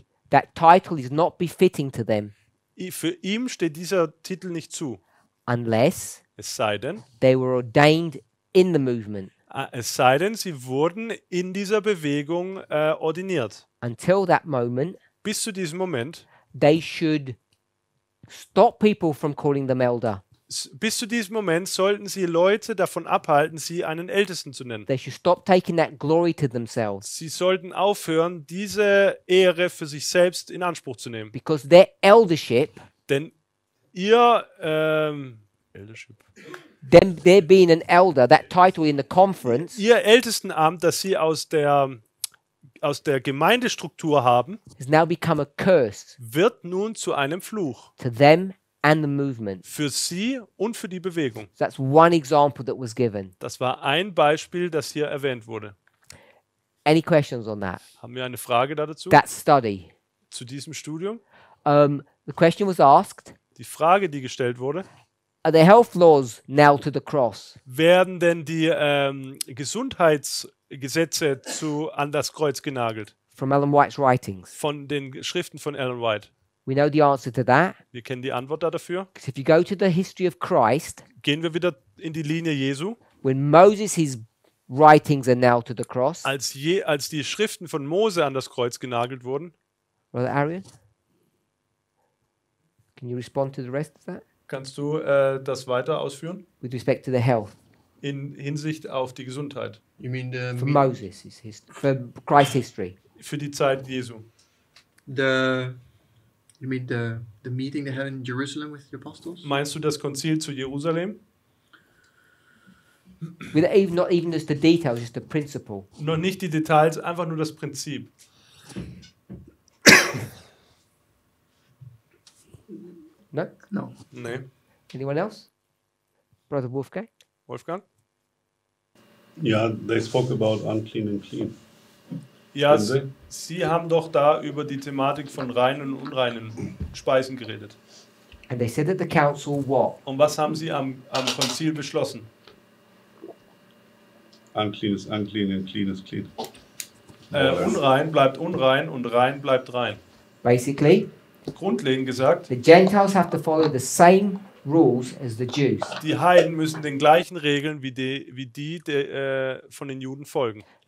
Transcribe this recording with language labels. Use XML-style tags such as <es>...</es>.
<en>That title is not befitting to them.</en> <de>Für ihn steht dieser Titel nicht zu.</de> <en>Unless,</en> <de>es sei denn,</de> <en>they were ordained in the movement.</en> <de>Es sei denn, sie wurden in dieser Bewegung ordiniert.</de> <en>Until that moment,</en> <de>bis zu diesem Moment,</de> <en>they should stop people from calling them elder.</en> <de>Bis zu diesem Moment sollten sie Leute davon abhalten, sie einen Ältesten zu nennen.</de> <en>They should stop taking that glory to themselves.</en> <de>Sie sollten aufhören, diese Ehre für sich selbst in Anspruch zu nehmen.</de> <en>Because their eldership,</en> <de>denn ihr eldership,</de> <en>them, they're being an elder, that title in the conference,</en> <de>ihr Ältestenamt, das sie aus der Gemeindestruktur haben,</de> <en>has now become a curse,</en> <de>wird nun zu einem Fluch.</de> <en>To them and the movement.</en> <de>Für sie und für die Bewegung.</de> <en>So that's one example that was given.</en> <de>Das war ein Beispiel, das hier erwähnt wurde.</de> <en>Any questions on that?</en> <de>Haben wir eine Frage dazu?</de> <en>That study.</en> <de>Zu diesem Studium?</de> <en>The question was asked.</en> <de>Die Frage, die gestellt wurde.</de> <en>Are the health laws nailed to the cross?</en> <de>Werden denn die Gesundheitsgesetze an das Kreuz genagelt?</de> <en>From Ellen White's writings.</en> <de>Von den Schriften von Ellen White.</de> <en>We know the answer to that.</en> <de>Wir kennen die Antwort dafür.</de> <en>If you go to the history of Christ,</en> <de>gehen wir wieder in die Linie Jesu.</de> <en>When Moses' his writings are nailed to the cross,</en> <de>als die Schriften von Mose an das Kreuz genagelt wurden.</de> <en>Brother Arian, can you respond to the rest of that?</en> <de>Kannst du das weiter ausführen?</de> <en>With respect to the health.</en> <de>In Hinsicht auf die Gesundheit.</de> <en>You mean the for Moses' for Christ's history.</en> <de>Für die Zeit Jesu.</de> <en>You mean the meeting they had in Jerusalem with the apostles?</en> <de>Meinst du das Konzil zu Jerusalem?</de> <en>With not even just the details, just the principle.</en> <de>Noch nicht die Details, einfach nur das Prinzip.</de> <en>No? No. No. Anyone else? Brother Wolfgang? Wolfgang? Yeah, they spoke about unclean and clean.</en> <de>Ja, Sie haben doch da über die Thematik von reinen und unreinen Speisen geredet.</de> <en>And they said at the council what?</en> <de>Und was haben Sie am Konzil beschlossen?</de> <en>Unclean is unclean and clean is clean.</en> <de>Unrein bleibt unrein und rein bleibt rein.</de> <en>Basically,</en> <de>grundlegend gesagt,</de> <en>the Gentiles have to follow the same rules as the Jews.</en> <de>Die Heiden müssen den gleichen Regeln wie die von den Juden befolgen.</de>